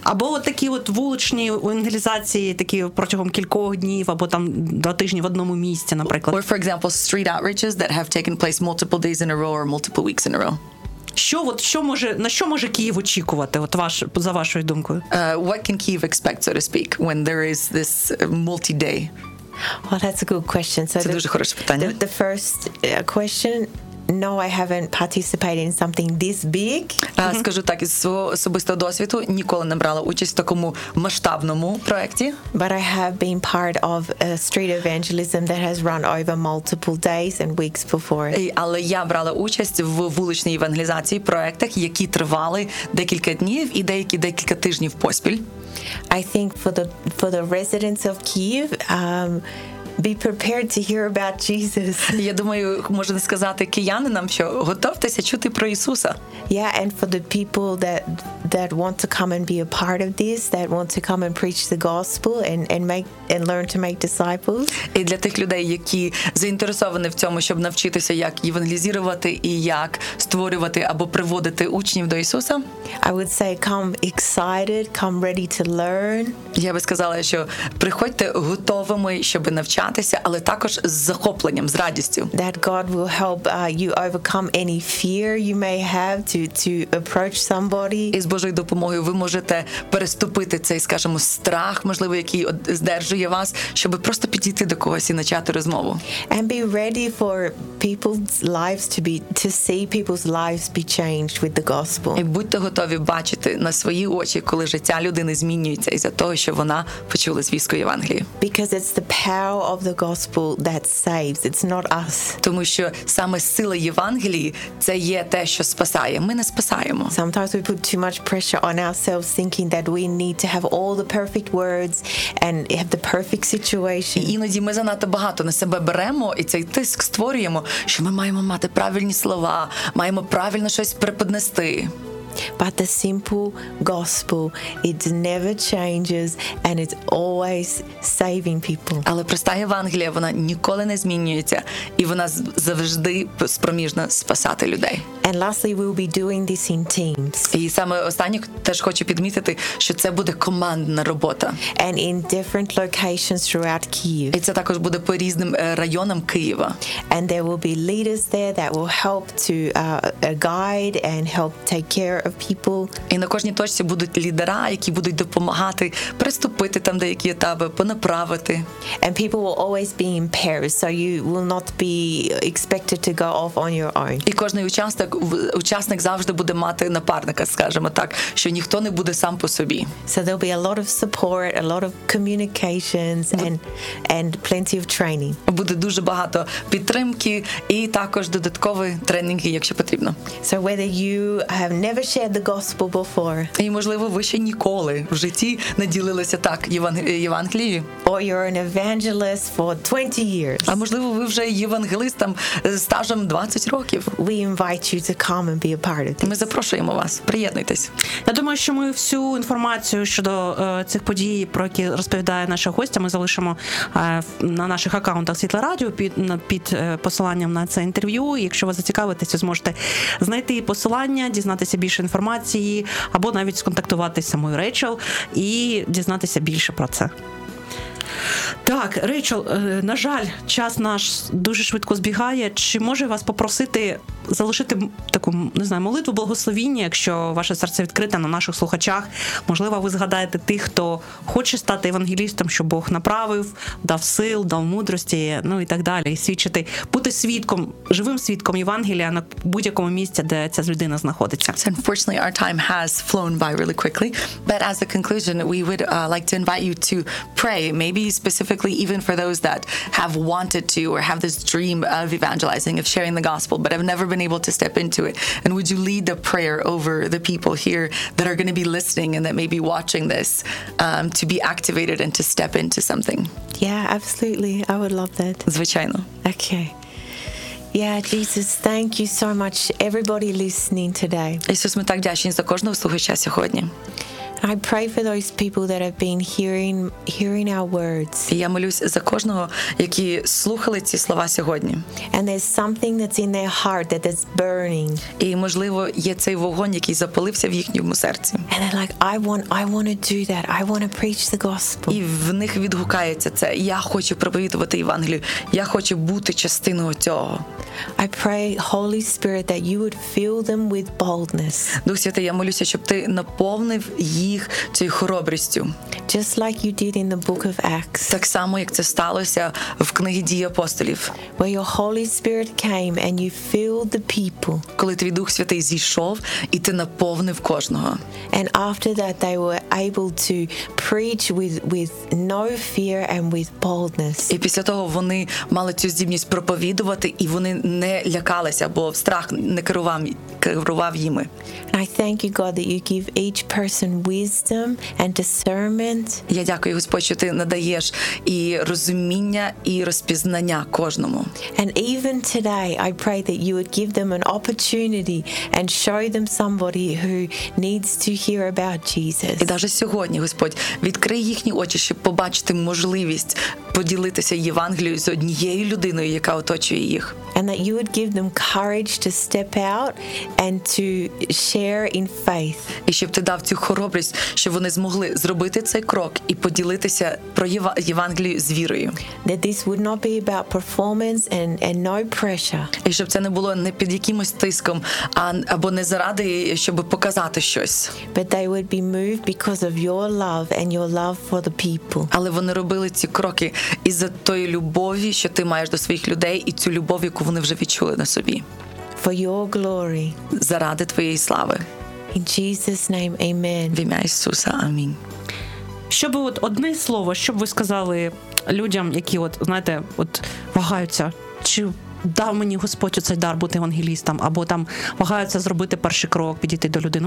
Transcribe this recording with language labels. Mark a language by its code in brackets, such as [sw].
[uk] Або от такі от вуличні евангелізації, такі протягом кількох днів або там 2 тижні в одному місці, наприклад. [en] Or for example, street outreaches that have taken place multiple days in a row or multiple weeks in a row. [uk] Що може Київ очікувати, от за вашою думкою? [en] What can Kyiv expect, so to speak, when there is this multi-day? Well, that's a good question. [uk] Це дуже хороше питання. [en] The first question, no, I haven't participated in something this big. [uk] Скажу так, із свого особистого досвіду ніколи не брала участь в такому масштабному проєкті. [en] But I have been part of a street evangelism that has run over multiple days and weeks before it. [uk] Але я брала участь в вуличній евангелізації, проєктах, які тривали декілька днів і деякі декілька тижнів поспіль. [en] I think for the residents of Kyiv, be prepared to hear about Jesus. [uk] Я думаю, можна сказати киянинам, що готовтеся чути про Ісуса. [en] Yeah, and for the people that want to come and be a part of this, that want to come and preach the gospel and learn to make disciples. [uk] І для тих людей, які заінтересовані в цьому, щоб навчитися, як евангелізувати і як створювати або приводити учнів до Ісуса. [en] I would say come excited, come ready to learn. [uk] Я би сказала, що приходьте готовими, щоб навчатися, але також з захопленням, з радістю. [en] That God will help you overcome any fear you may have to approach somebody. [uk] І з Божою допомогою ви можете переступити цей, скажімо, страх, можливо, який здержує вас, щоб просто підійти до когось і почати розмову. [en] And be ready for people's lives to see people's lives be changed with the gospel. [uk] І будьте готові бачити на свої очі, коли життя людини змінюється із-за того, що вона почула звістку Євангелії. [en] Because it's the power of the gospel that saves. It's not us. [uk] Тому що саме сила Євангелії – це є те, що спасає. Ми не спасаємо. [en] Sometimes we put too much pressure on ourselves thinking that we need to have all the perfect words and have the perfect situation. [uk] І іноді ми занадто багато на себе беремо і цей тиск створюємо, що ми маємо мати правильні слова, маємо правильно щось преподнести. [en] But the simple gospel, it never changes and it's always saving people. [uk] Але проста Євангелія, вона ніколи не змінюється і вона завжди спроможна спасати людей. [en] And lastly, we'll be doing this in teams. [uk] І саме останнє теж хочу підмітити, що це буде командна робота. [en] And in different locations throughout Kyiv. [uk] І це також буде по різним районам Києва. [en] And there will be leaders there that will help to guide and help take care of people. [uk] І на кожній точці будуть лідера, які будуть допомагати приступити там деякі етапи, понаправити. [en] And people will always be in pairs, so you will not be expected to go off on your own. [uk] І кожний учасник завжди буде мати напарника, скажімо так, що ніхто не буде сам по собі. [en] So there'll be a lot of support, a lot of communications and plenty of training. [uk] Буде дуже багато підтримки і також додаткові тренінги, якщо потрібно. [en] So whether you have never shared the gospel before. [uk] І, можливо, ви ще ніколи в житті не ділилися так Євангелією. [en] Or you're an evangelist for 20 years. [uk] А можливо, ви вже євангелістом з стажем 20 років. [en] We invite you to come and be a part of this. [uk] Ми запрошуємо вас, приєднуйтесь. Я думаю, що ми всю інформацію щодо цих подій, про які розповідає наша гостя, ми залишимо на наших аккаунтах Світла Радіо під посиланням на це інтерв'ю. Якщо вас зацікавитеся, зможете знайти посилання, дізнатися більше інформації або навіть сконтактуватися з самою Рейчел і дізнатися більше про це. Так, Рейчел, на жаль, час наш дуже швидко збігає. Чи може вас попросити залишити таку, не знаю, молитву благословіння, якщо ваше серце відкрите на наших слухачах? Можливо, ви згадаєте тих, хто хоче стати евангелістом, щоб Бог направив, дав сил, дав мудрості, ну і так далі, і свідчити, бути свідком, живим свідком Євангелія на будь-якому місці, де ця людина знаходиться. [en] So unfortunately, our time has flown by really quickly, but as a conclusion, we would like to invite you to pray, maybe specifically even for those that have wanted to or have this dream of evangelizing, of sharing the gospel, but have never been able to step into it. And would you lead the prayer over the people here that are going to be listening and that may be watching this to be activated and to step into something? Yeah, absolutely. I would love that. [uk] Звичайно. [en] Okay. Yeah, Jesus, thank you so much, everybody listening today. [uk] Ісус, ми так вдячні за кожного слухача сьогодні. [en] I pray for those people that have been hearing our words. [uk] Я молюсь за кожного, які слухали ці слова сьогодні. [en] And there's something that's in their heart that is burning. [uk] І, можливо, є цей вогонь, який запалився в їхньому серці. [en] And they're like, I want to do that. I want to preach the gospel. [uk] І в них відгукається це. Я хочу проповідувати Євангелію. Я хочу бути частиною цього. [en] I pray, Holy Spirit, that you would fill them with boldness. [uk] Дух Святий, я молюся, щоб ти наповнив їх цією хоробрістю. [en] Just like you did in the book of Acts. [uk] Так само, як це сталося в книгі Дій апостолів. [en] Where your Holy Spirit came and you filled the people. [uk] Коли твій Дух Святий зійшов і ти наповнив кожного. [en] And after that they were able to preach with no fear and with boldness. [uk] І після того вони мали цю здібність проповідувати і вони не лякалися, бо страх не керував їми. [en] And I thank you, God, that you give each person wisdom. wisdom and discernment. [uk] Я дякую, Господь, що ти надаєш і розуміння, і розпізнання кожному. [en] And even today, I pray that you would give them an opportunity and show them somebody who needs to hear about Jesus. [uk] І навіть сьогодні, Господь, відкрий їхні очі, щоб побачити можливість поділитися Євангелією з однією людиною, яка оточує їх. [en] And that you would give them courage to step out and to share in faith. [uk] І щоб ти дав цю хоробрість, щоб вони змогли зробити цей крок і поділитися про Євангелію з вірою. [en] That this would not be about performance and no pressure. [uk] І щоб це не було не під якимось тиском, а або не заради, щоб показати щось. [en] But they would be moved because of your love and your love for the people. [uk] Але вони робили ці кроки із-за тої любові, що ти маєш до своїх людей, і цю любов, яку вони вже відчули на собі. [en] For your glory. [uk] Заради твоєї слави. [en] In Jesus' name, amen. [uk] В ім'я Ісуса, амінь. Щоб от одне слово, щоб ви сказали людям, які от, знаєте, от вагаються, чи дав мені Господь цей дар бути евангелістом, або там вагаються зробити перший крок, підійти до людини.